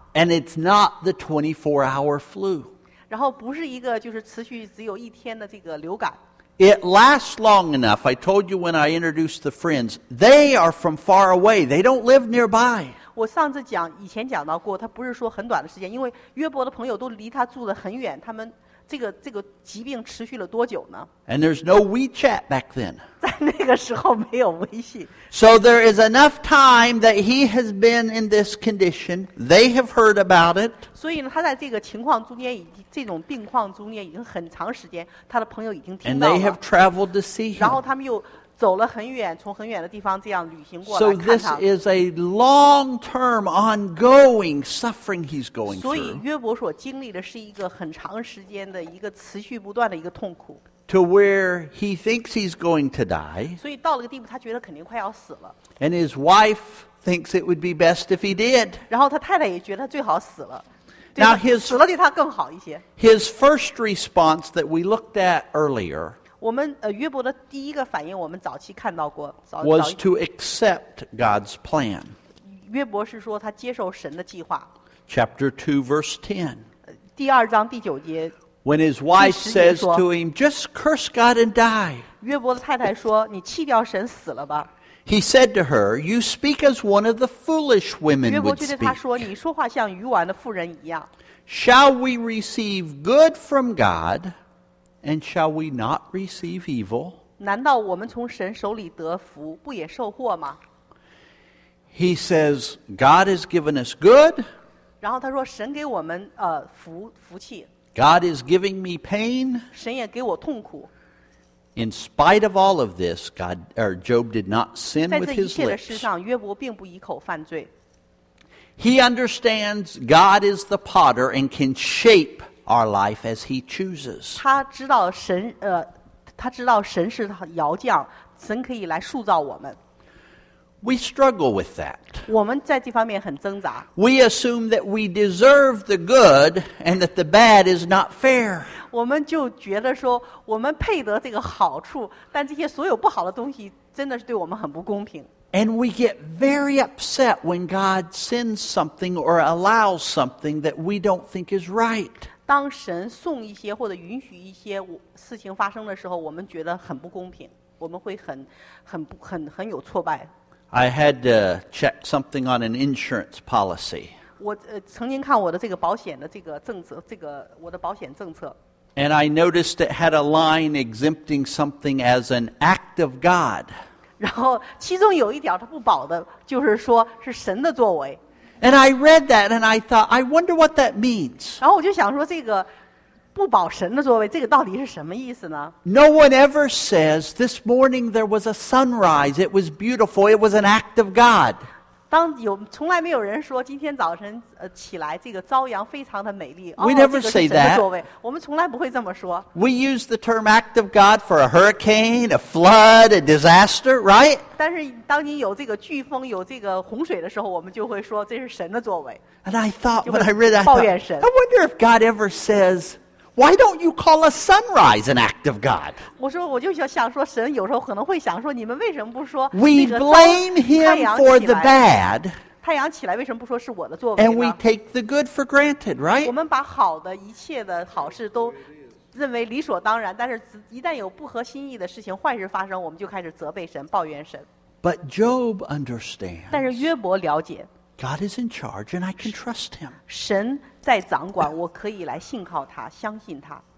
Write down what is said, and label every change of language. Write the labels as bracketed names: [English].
[English] and it's not the 24-hour flu, [Chinese] 然后不是一个就是持续只有一天的这个流感 [English] It lasts long enough. I told you when I introduced the friends, they are from far away. They don't live nearby. [Chinese] 我上次讲以前讲到过他不是说很短的时间因为约伯的朋友都离他住得很远他们这个疾病持续了多久呢 [English] And there's no WeChat back then [Chinese] 在那个时候没有微信 [English] So there is enough time that he has been in this condition They have heard about it [Chinese] 所以呢他在这个情况中间已经这种病况中间已经很长时间他的朋友已经听到了 [English] And they have traveled to see him [Chinese] 然后他们又走了很远，从很远的地方这样旅行过来。 [English] So this is a long-term, ongoing suffering he's going through. [Chinese] 所以约伯所经历的是一个很长时间的一个持续不断的一个痛苦。 [English] To where he thinks he's going to die. [Chinese] 所以到了个地步，他觉得肯定快要死了。 [English] And his wife thinks it would be best if he did. [Chinese] 然后他太太也觉得最好死了。 [English] Now his [Chinese] 死了对他更好一些。 [English] His first response that we looked at earlier. [Chinese] 我们约伯的第一个反应，我们早期看到过。 [English] Was to accept God's plan. [Chinese] 约伯是说他接受神的计划。 [English] Chapter 2, verse 10. [Chinese] 第二章第九节。 [English] When his wife says to him, "Just curse God and die." [Chinese] 约伯的太太说：“你弃掉神死了吧。” [English] He said to her, "You speak as one of the foolish women would speak." [Chinese] 约伯对着他说：“你说话像愚顽的妇人一样。” [English] Shall we receive good from God? And shall we not receive evil? [Chinese] 难道我们从神手里得福，不也受祸吗？ [English] He says, God has given us good. [Chinese] 然后他说，神给我们福气。 [English] God is giving me pain. [Chinese] 神也给我痛苦。 [English] In spite of all of this, Job did not sin with his lips. [Chinese] 在这一切的事上，约伯并不以口犯罪。 [English] He understands God is the potter and can shape our life as he chooses. [Chinese] 他知道神他知道神是窑匠，神可以来塑造我们。 [English] We struggle with that. [Chinese] 我们在这方面很挣扎。 [English] We assume that we deserve the good and that the bad is not fair. [Chinese] 我们就觉得说我们配得这个好处，但这些所有不好的东西真的是对我们很不公平。 [English] And we get very upset when God sends something or allows something that we don't think is right. [Chinese] 当神送一些或者允许一些事情发生的时候，我们觉得很不公平，我们会很有挫败。 [English] I had to check something on an insurance policy. [Chinese] 我曾经看我的这个保险的这个政策，这个我的保险政策。 [English] And I noticed it had a line exempting something as an act of God. [Chinese] 然后其中有一点他不保的，就是说是神的作为。 [English] And I read that and I thought, I wonder what that means. [Chinese] 然后我就想说这个不保神的作为，这个到底是什么意思呢？ [English] No one ever says, this morning there was a sunrise, it was beautiful, it was an act of God. [Chinese] 当有从来没有人说今天早晨起来这个朝阳非常的美丽。 [English] We never say that. [Chinese] 我们从来不会这么说。 [English] We use the term act of God for a hurricane, a flood, a disaster, right? [Chinese] 但是当你有这个飓风有这个洪水的时候我们就会说这是神的作为。 [English] And I thought, when I read that, I wonder if God ever says,Why don't you call a sunrise an act of God? [Chinese] 我说我就想说神有时候可能会想说你们为什么不说 [English] We blame him for the bad. [Chinese] 太阳起来为什么不说是我的作为呢 [English] And we take the good for granted, right? [Chinese] 我们把好的一切的好事都认为理所当然但是一旦有不合心意的事情坏事发生我们就开始责备神抱怨神 [English] But Job understands. [Chinese] 但是约伯了解 [English] God is in charge and I can trust him. [Chinese] 神在掌管我可以来信靠他相信他。